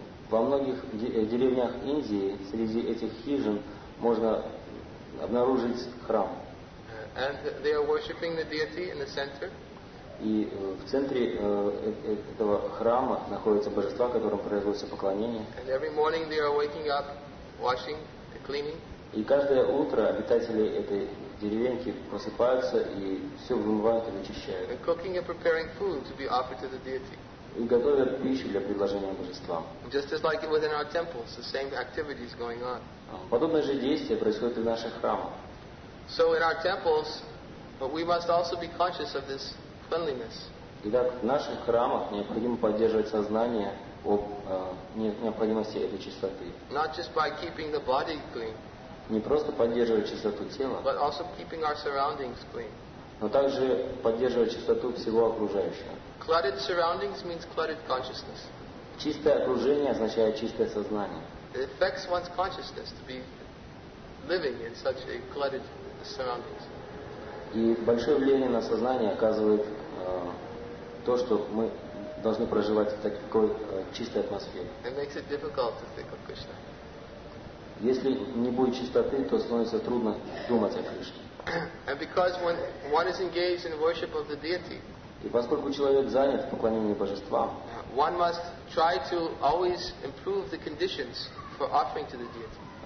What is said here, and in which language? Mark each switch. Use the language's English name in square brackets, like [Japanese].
[Russian] Во многих деревнях Индии среди этих хижин можно обнаружить храм. [English] And they are worshiping the deity in the center. [Russian] И в центре этого храма находятся божества, которым производится поклонение. [English] And every morning they are waking up, washing, cleaning. [Russian] И каждое утро обитатели этой деревеньки просыпаются и все вымывают и очищают. [English] And cooking and preparing food to be offered to the deity. [Russian] И готовят пищу для предложения божествам. [English] Just as like within our temples, the same activities going on. [Russian] Подобное же действие происходит и в наших храмах. [English] So in our temples, but we must also be conscious of this cleanliness. [Russian] Итак, в наших храмах необходимо поддерживать сознание об необходимости этой чистоты. [English] Not just by keeping the body clean. [Russian] Не просто поддерживать чистоту тела, [English] but also keeping our surroundings clean. [Russian] Но также поддерживать чистоту всего окружающего. [English] Cluttered surroundings means cluttered consciousness. [Russian] Чистое окружение означает чистое сознание. [English] It affects one's consciousness to be living in such a cluttered surroundings. [Russian] И большое влияние на сознание оказывает то, что мы должны проживать в такой чистой атмосфере. [English] It makes it difficult to think of Krishna. [Russian] Если не будет чистоты, то становится трудно думать о Кришне. [English] And because when one is engaged in worship of the deity, [Russian] и поскольку человек занят в поклонении божествам, [English] one must try to always improve the conditions for offering to the deity.